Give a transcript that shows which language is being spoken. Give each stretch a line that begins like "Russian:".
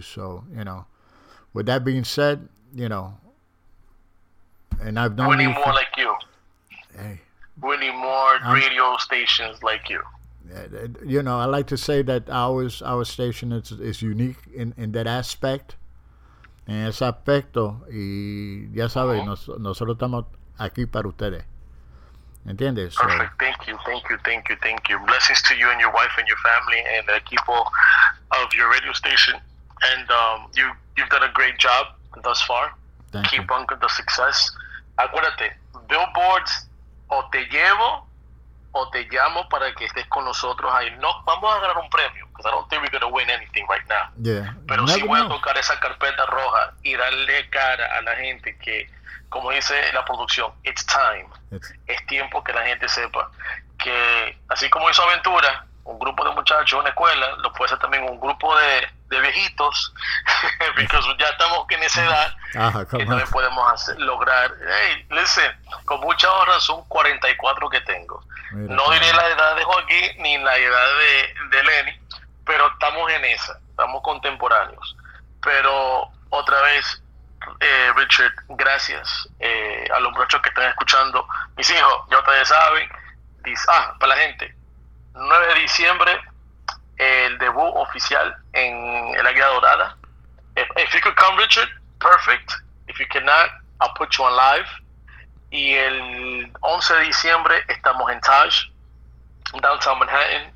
English: So, you know, with that being said, you know, and I've known many more like you. Hey. We need more radio stations like you. You know, I like to say that our station is unique in that aspect.
Spanish: En ese aspecto, y ya sabes, nosotros estamos aquí para ustedes. ¿Entiendes?
English: Perfect. So, thank you. Blessings to you and your wife and your family and the people of your radio station. And you've done a great job thus far. Thank Keep you. On with the success.
Spanish: Acuérdate, billboards, o te llevo o te llamo para que estés con nosotros ahí. No, vamos a ganar un premio,
English: because I don't think we're going to win anything right now. Yeah.
Spanish: Pero si voy a tocar esa carpeta roja y darle cara a la gente que, como dice la producción,
English: it's time.
Spanish: Es tiempo que la gente sepa que, así como hizo Aventura, un grupo de muchachos, una escuela, lo puede hacer también un grupo de viejitos, because ya estamos en esa edad, que también podemos hacer, lograr.
English: Hey, listen,
Spanish: con mucha honra, son 44 que tengo. Mira, no diré la edad de Joaquín ni la edad de Lenny, pero estamos en esa, estamos contemporáneos. Pero otra vez, Richard, gracias a los muchachos que están escuchando. Mis hijos, ya ustedes saben, para la gente, 9 de diciembre, el debut oficial en el Águila Dorada.
English: If you could come, Richard, perfect. If you cannot, I'll put you on live.
Spanish: Y el 11 de diciembre estamos en Taj, downtown Manhattan.